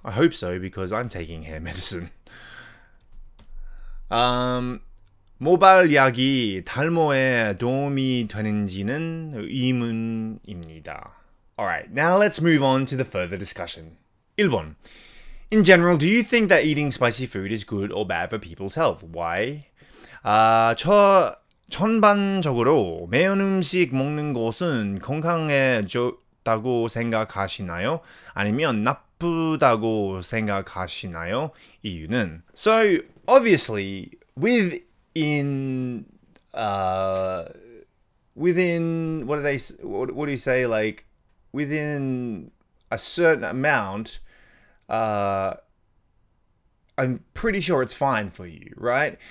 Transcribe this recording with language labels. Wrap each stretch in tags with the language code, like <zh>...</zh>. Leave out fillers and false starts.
<en>I hope so because I'm taking hair medicine.</en> <ko>모발약이 탈모에 도움이 되는지는 의문입니다.</ko> <en>Alright, now let's move on to the further discussion.</en> <ko>1번.</ko> <en>In general, do you think that eating spicy food is good or bad for people's health? Why?</en> <ko>전반적으로 매운 음식 먹는 것은 건강에 좋다고 생각하시나요? 아니면 나쁘다고 생각하시나요? 이유는?</ko> <en>So, obviously, within a certain amount, I'm pretty sure it's fine for you, right?</en>